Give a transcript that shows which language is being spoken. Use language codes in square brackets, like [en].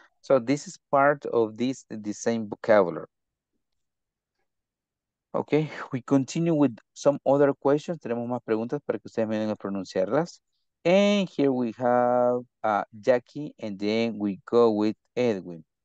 [en] So this is part of this, the same vocabulary. Okay, we continue with some other questions. [es] Tenemos más preguntas para que ustedes vengan a pronunciarlas. [en] And here we have Jackie, and then we go with Edwin.